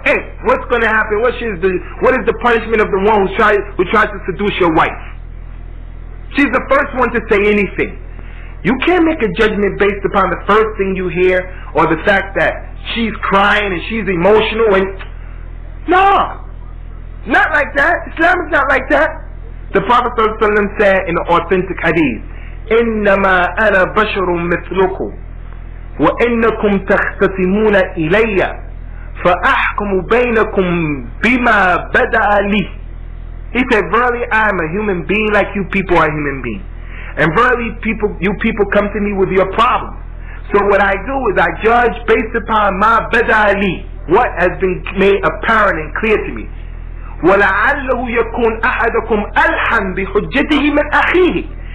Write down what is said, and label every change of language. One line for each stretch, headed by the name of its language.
English: Hey, what's going to happen? What is the punishment of the one who tries to seduce your wife? She's the first one to say anything. You can't make a judgment based upon the first thing you hear or the fact that she's crying and she's emotional. And No, not like that. Islam is not like that.
Arabic: The Prophet ﷺ said in the authentic hadith, إِنَّمَا أَنَا بَشَرٌ مِثْلُكُمْ وَإِنَّكُمْ تَخْتَسِمُونَ إِلَيَّ فَأَحْكُمُ بَيْنَكُمْ بِمَا بَدَأَ لِي.
English: He said, verily I am a human being like you people are human beings. And verily people, you people come to me with your problems. So what I do is I judge based upon my بَدَأَ لِي, what has been made apparent and clear to me.
Arabic: وَلَعَلَّهُ يَكُونْ أَحَدَكُمْ أَلْحَمْ بِحُجَّتِهِ مِنْ أَخِيهِ.